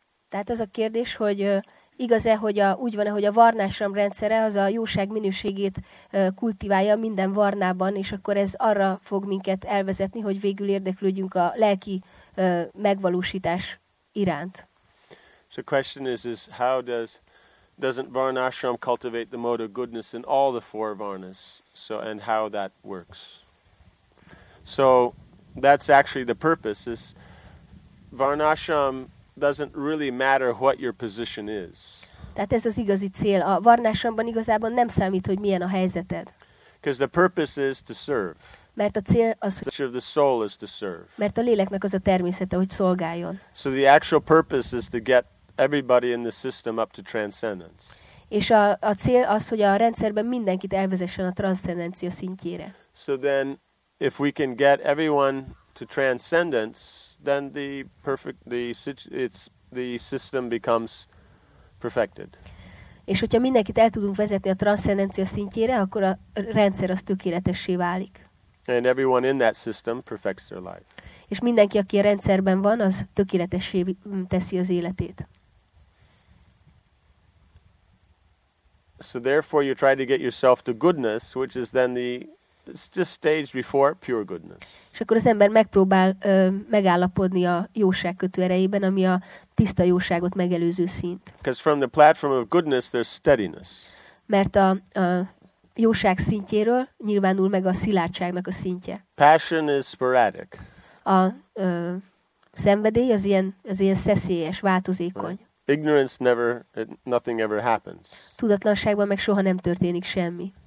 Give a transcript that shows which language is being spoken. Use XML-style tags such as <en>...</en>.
<hu>Tehát az a kérdés, hogy igaz-e, hogy úgy van-e, hogy a varnásram rendszere az a jóság minőségét kultiválja minden varnában, és akkor ez arra fog minket elvezetni, hogy végül érdeklődjünk a lelki megvalósítás iránt.</hu> <en>So the question is how doesn't varnashram cultivate the mode of goodness in all the four varnas? So and how that works. So that's actually the purpose is varnashram doesn't really matter what your position is.</en> <hu>Tehát ez az igazi cél. A varnásomban igazából nem számít, hogy milyen a helyzeted.</hu> <en>Because the purpose is to serve.</en> <hu>Mert a cél az,</hu> <en>the nature of the soul is to serve.</en> <hu>Mert a léleknek az a természete, hogy szolgáljon.</hu> <en>So the actual purpose is to get everybody in the system up to transcendence.</en> <hu>És a cél az, hogy a rendszerben mindenkit elvezessen a transzcendencia szintjére.</hu> <en>So then if we can get everyone to transcendence, then the perfect the system becomes perfected.</en> <hu>És hogyha mindenkit el tudunk vezetni a transzcendencia szintjére, akkor a rendszer az tökéletessé válik.</hu> <en>And everyone in that system perfects their life.</en> <hu>És mindenki, aki a rendszerben van, az tökéletessé teszi az életét.</hu> <en>So therefore you try to get yourself to goodness, which is then the just stage before pure goodness.</en> <hu>És akkor az ember megpróbál megállapodni a jóság kötő erejében, ami a tiszta jóságot megelőző szint.</hu> <en>Because from the platform of goodness there's steadiness.</en> <hu>Mert a jóság szintjéről nyilvánul meg a szilárdságnak a szintje.</hu> <en>Passion is sporadic.</en> <hu>A szenvedély az ilyen szeszélyes, változékony.</hu> <en>Right. Ignorance never, nothing ever happens.</en> <hu>Tudatlanságban meg soha nem történik semmi.</hu>